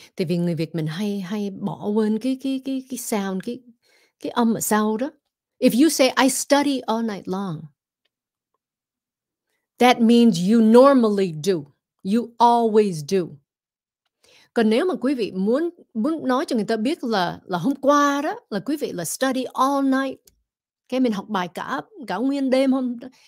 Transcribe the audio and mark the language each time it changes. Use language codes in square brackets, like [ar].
[vi] Tại vì người Việt mình hay bỏ quên cái sound, cái âm ở sau đó. [en] If you say, I study all night long, that means you normally do. You always do. [vi] Còn nếu mà quý vị muốn nói cho người ta biết là hôm qua đó, là quý vị là [en] study all night. [vi] Okay, mình học bài cả nguyên đêm hôm đó.